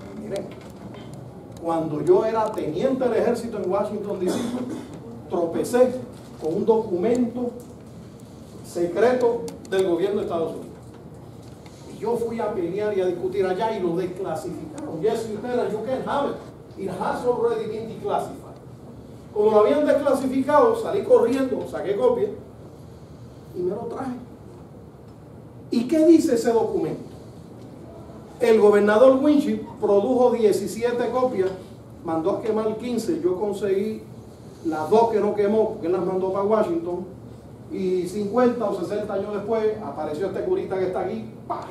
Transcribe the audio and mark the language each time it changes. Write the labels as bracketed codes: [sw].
[es] Miren, cuando yo era teniente del ejército en Washington D.C., tropecé con un documento secreto del gobierno de Estados Unidos. Y yo fui a pelear y a discutir allá y lo desclasificaron. [en] Yes, you better, you can have it. It has already been declassified. [es] Como lo habían desclasificado, salí corriendo, saqué copia y me lo traje. ¿Y qué dice ese documento? El gobernador Winship produjo 17 copias, mandó a quemar 15, yo conseguí las dos que no quemó, porque él las mandó para Washington, y 50 o 60 años después apareció este curita que está aquí, ¡pah!